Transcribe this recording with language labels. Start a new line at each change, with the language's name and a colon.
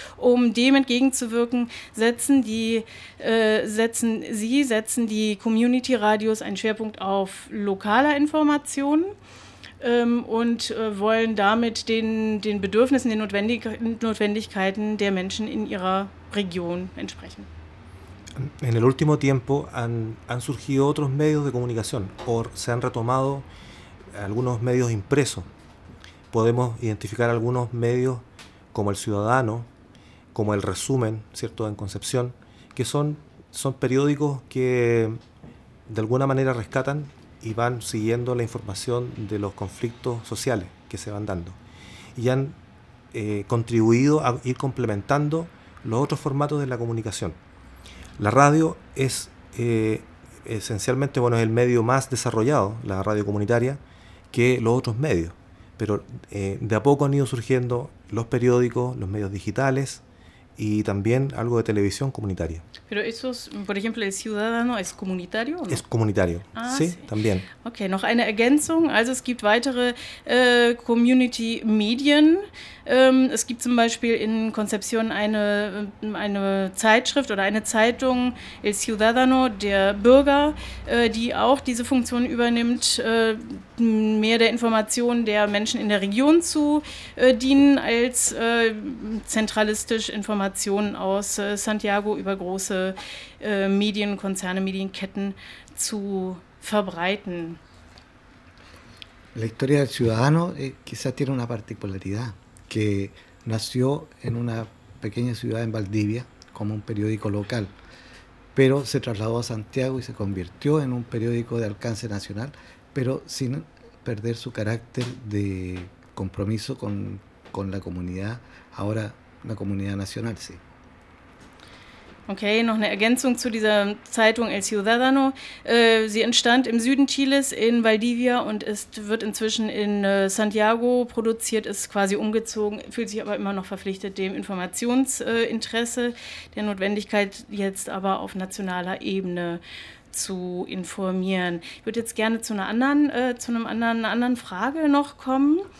German: Um dem entgegenzuwirken, setzen die Community-Radios einen Schwerpunkt auf lokaler Information und wollen damit den Bedürfnissen, den Notwendigkeiten der Menschen in ihrer Region entsprechen.
Spanish: En el último tiempo han surgido otros medios de comunicación, o se han retomado algunos medios impresos. Podemos identificar algunos medios como El Ciudadano, como El Resumen, ¿cierto?, en Concepción, que son periódicos que de alguna manera rescatan y van siguiendo la información de los conflictos sociales que se van dando. Y han contribuido a ir complementando los otros formatos de la comunicación. La radio es esencialmente, bueno, es el medio más desarrollado, la radio comunitaria, que los otros medios. Pero de a poco han ido surgiendo los periódicos, los medios digitales y también algo de televisión comunitaria. Pero eso, por ejemplo, El Ciudadano, ¿es comunitario? ¿No? Es comunitario, ah, sí, también.
German: Ok, noch eine Ergänzung. Also es gibt weitere Community Medien. Es gibt zum Beispiel in Concepción eine Zeitschrift oder eine Zeitung, El Ciudadano, der Bürger, die auch diese Funktion übernimmt, mehr der Information der Menschen in der Region zu dienen, als zentralistisch Informationen aus Santiago über große Medienkonzerne, Medienketten zu verbreiten.
Spanish: La historia del Ciudadano quizá tiene una particularidad, que nació en una pequeña ciudad en Valdivia como un periódico local, pero se trasladó a Santiago y se convirtió en un periódico de alcance nacional, pero sin perder su carácter de compromiso con la comunidad, ahora la comunidad nacional, sí.
German: Okay, noch eine Ergänzung zu dieser Zeitung El Ciudadano. Sie entstand im Süden Chiles, in Valdivia, und wird inzwischen in Santiago produziert, ist quasi umgezogen, fühlt sich aber immer noch verpflichtet, dem Informationsinteresse, der Notwendigkeit, jetzt aber auf nationaler Ebene zu informieren. Ich würde jetzt gerne zu einer anderen Frage noch kommen.